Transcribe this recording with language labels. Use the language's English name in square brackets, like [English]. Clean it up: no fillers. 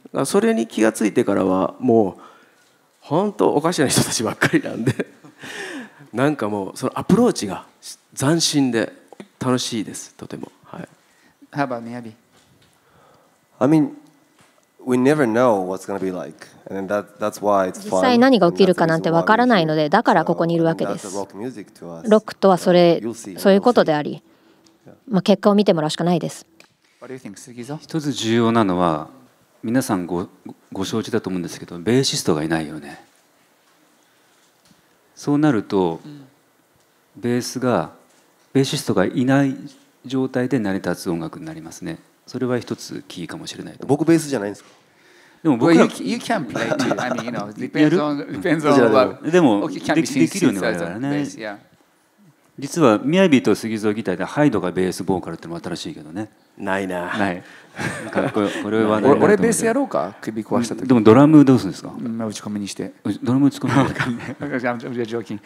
[Japanese] それに気がついてからはもう本当おかしな人たちばっかりなんで、なんかもうそのアプローチが斬新で楽しいです。とても。はい。 [English] How about Miyabi? I mean, we never know what's going to be like, and that's why it's fun. [Japanese] 実際何が起きるかなんてわからないので、だからここにいるわけです。ロックとはそういうことであり、まあ結果を見てもらうしかないです。一つ重要なのは、皆さん ご承知だと思うんですけど、ベーシストがいないよね。そうなるとベースが、ベーシストがいない状態で成り立つ音楽になりますね。それは一つキーかもしれない。僕ベースじゃないんですか。でも僕は、 [English] well, you can play too. I mean, you know, depends on the love. [Japanese] でも できるよね、我々ね。 [English] Bass, yeah. [Japanese] 実は、ミヤビと杉蔵ギターでハイドがベースボーカルってのも新しいけどね。ないな。ない。これはね。俺ベースやろうか、首壊した時。でもドラムどうするんですか。打ち込みにして。ドラム打ち込み。わかんない。